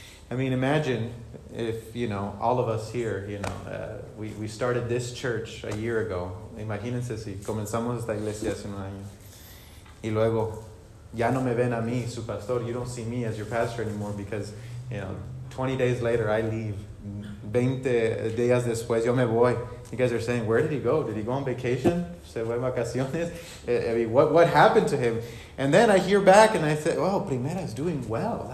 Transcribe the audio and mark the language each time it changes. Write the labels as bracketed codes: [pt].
[en] I mean, imagine if, you know, all of us here, you know, we started this church a year ago. [es] Imagínense si comenzamos esta iglesia hace un año. Y luego, ya no me ven a mí, su pastor. [en] You don't see me as your pastor anymore because, you know, 20 days later, I leave. [es] 20 días después, yo me voy. [en] You guys are saying, where did he go? Did he go on vacation? [es] Se fue vacaciones? [en] I mean, what happened to him? And then I hear back and I say, well, Primera is doing well.